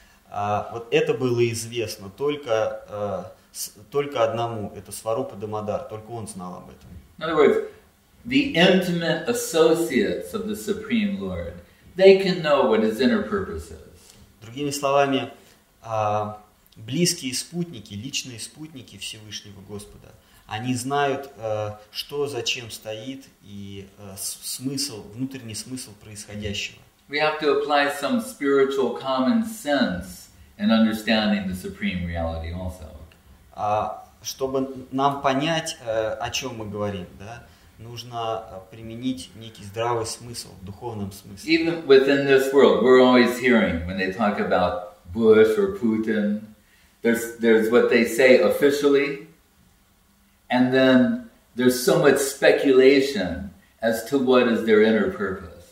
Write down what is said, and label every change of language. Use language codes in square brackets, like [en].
[ru] Вот это было известно только одному, это Сварупа Дамодар, только он знал об этом. [en] In other words, the intimate associates of the Supreme Lord, they can know what his inner purpose is. [ru] Другими словами, близкие спутники, личные спутники Всевышнего Господа, они знают, что зачем стоит и смысл, внутренний смысл происходящего. [en] We have to apply some spiritual common sense in understanding the supreme reality also. [ru] Чтобы нам понять, о чем мы говорим, да, нужно применить некий здравый смысл в духовном смысле. [en] Even within this world, we're always hearing when they talk about Bush or Putin, there's what they say officially, and then there's so much speculation as to what is their inner purpose.